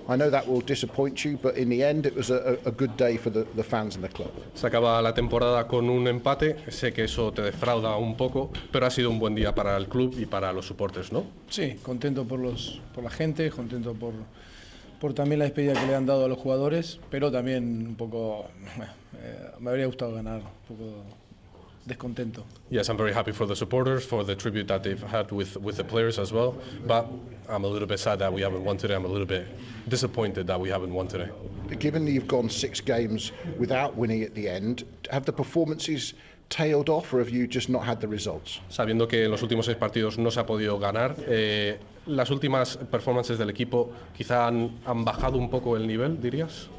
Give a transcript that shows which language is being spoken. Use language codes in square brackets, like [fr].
[en] I know that will disappoint you, but in the end it was a good day for the fans and the club. [es] Se acaba la temporada con un empate. Sé que eso te defrauda un poco, pero ha sido un buen día para el club y para los supporters, ¿no? Sí, contento por la gente, contento por también la despedida que le han dado a los jugadores, pero también un poco me habría gustado ganar un poco. Descontento. [en] Yes, I'm very happy for the supporters, for the tribute that they've had with the players as well. But I'm a little bit sad that we haven't won today. I'm a little bit disappointed that we haven't won today. Given that you've gone six games without winning at the end, have the performances tailed off, or have you just not had the results? [es] Sabiendo que en los últimos seis partidos no se ha podido ganar, las últimas performances del equipo quizá han bajado un poco el nivel, dirías?